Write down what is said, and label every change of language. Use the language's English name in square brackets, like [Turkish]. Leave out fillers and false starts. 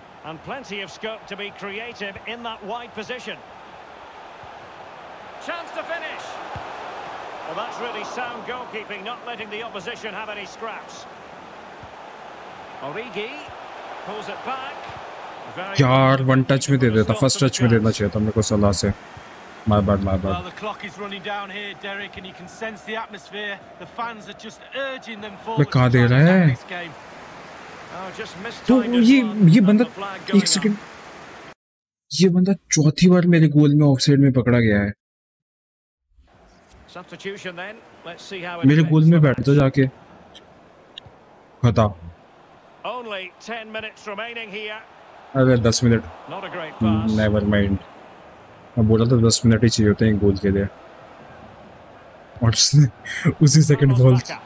[English] and plenty of scope to be creative in that wide position. Chance to finish. Well, that's really sound goalkeeping, not letting the opposition have any scraps. Origi pulls it back. [Hindi] यार one touch में दे देता, first touch में देना चाहिए था मेरे को सलाह से। [English] My bad. Well, the clock is running down here, Derek, and you can sense the atmosphere. The fans are just urging them forward. Oh, just missed time. [Hindi] ये बंदा एक सेकंड, ये बंदा चौथी बार मेरे गोल में ऑफसाइड में पकड़ा गया है। [English] Substitution then. Let's see how [Hindi] it मेरे गोल में बैठ जा जाके खता। [English] Only 10 minutes remaining here. [Hindi] अरे 10 minute, [English] not a great pass. Never mind. [Hindi] मैं बोला था 10 मिनट ही चाहिए होते हैं गोल के लिए, और उसने उसी सेकंड बॉल